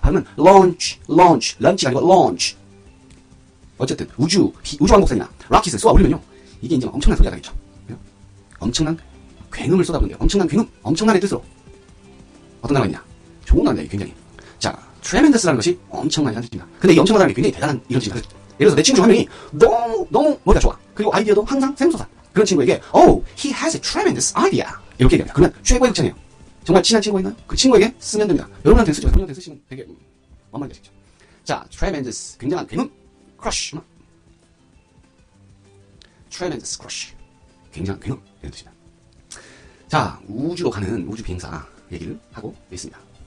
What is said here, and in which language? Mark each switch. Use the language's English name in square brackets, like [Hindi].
[Korean] 발음은 런치 런칭 아니고 런치. 어쨌든 우주항공선이나 로켓을 쏘아 올리면요, 이게 이제 엄청난 소리가 나겠죠. 그죠? 엄청난 굉음을 쏟아부는데요. 엄청난 굉음, 엄청난의 뜻으로 어떤 단어가 있냐? 좋은 단어예요. 굉장히. 자, tremendous라는 것이 엄청난이라는 뜻입니다. 근데 이 엄청난 사람이 굉장히 대단한 이런 뜻입니다. 예를 들어서 내 친구 한 명이 너무 머리가 좋아. 그리고 아이디어도 항상 샘솟아. 그런 친구에게 [English] Oh, he has a tremendous idea. [Korean] 이렇게 얘기합니다. 그러면 최고의 극찬이에요. 정말 친한 친구가 있나요? 그 친구에게 쓰면 됩니다. 여러분한테 쓰죠. 여러분한테 쓰시면 되게 만만하게 되시죠. 자, tremendous. 굉장한 괴물. crush. tremendous crush. 굉장한 괴물. 이런 뜻입니다. 자, 우주로 가는 우주 비행사 얘기를 하고 있습니다.